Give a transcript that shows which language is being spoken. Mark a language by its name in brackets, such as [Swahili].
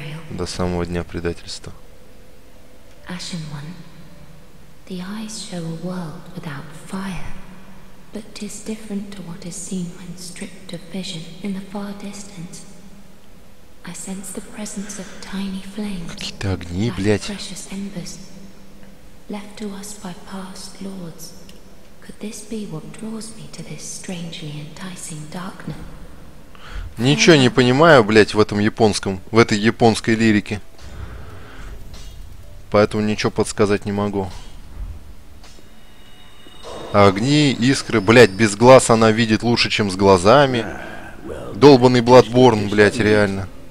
[Russian] До самого дня предательства. [English] Ashen One, the eyes show a world without fire, but 'tis different to what is seen when stripped of vision in the far distance. I sense the presence of tiny flames. [Russian] Какие-то огни, блять. [English] Precious embers left to us by past lords. Could this be what draws me to this strangely enticing darkness? [Russian] Ничего не понимаю, блять, в этом японском, в этой японской лирике. Поэтому ничего подсказать не могу. Огни, искры, блять, без глаз она видит лучше, чем с глазами. Долбанный Bloodborne, блять, реально.